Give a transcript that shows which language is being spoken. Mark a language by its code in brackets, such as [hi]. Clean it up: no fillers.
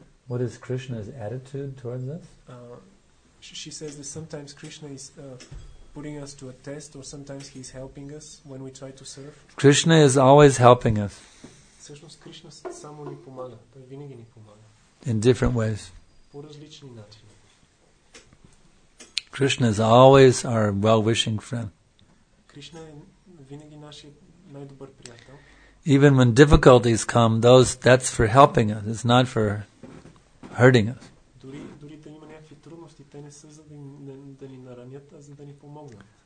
[en] What is Krishna's attitude towards us? She says that sometimes Krishna is. Putting us to a test, or sometimes he is helping us when we try to serve. Krishna is always helping us. [bg] Всъщност Кришна само ни помага. Той винаги ни помага. [en] In different ways. [bg] По различни начини. [en] Krishna is always our well-wishing friend. [bg] Кришна е винаги нашия най-добър приятел. [en] Even when difficulties come, that's for helping us. It's not for hurting us. [bg] Дори да има някакви трудности, те не са за да ни наранят, а за да ни помогнат.